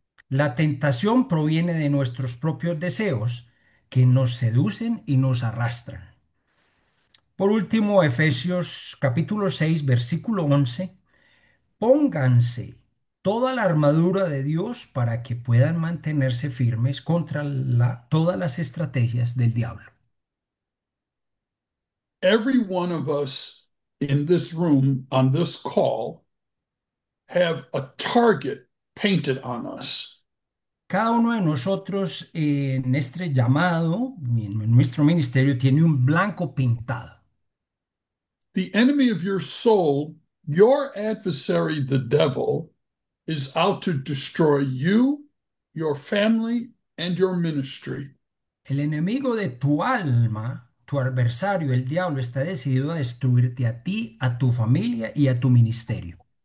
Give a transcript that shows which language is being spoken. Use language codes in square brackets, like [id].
[es] La tentación proviene de nuestros propios deseos que nos seducen y nos arrastran. Por último, Efesios, capítulo 6, versículo 11. Pónganse toda la armadura de Dios para que puedan mantenerse firmes contra todas las estrategias del diablo. [en] Every one of us in this room on this call have a target painted on us. [es] Cada uno de nosotros en este llamado, en nuestro ministerio, tiene un blanco pintado. [en] The enemy of your soul, your adversary, the devil, is out to destroy you, your family, and your ministry. [es] El enemigo de tu alma, tu adversario, el diablo, está decidido a destruirte a ti, a tu familia y a tu ministerio.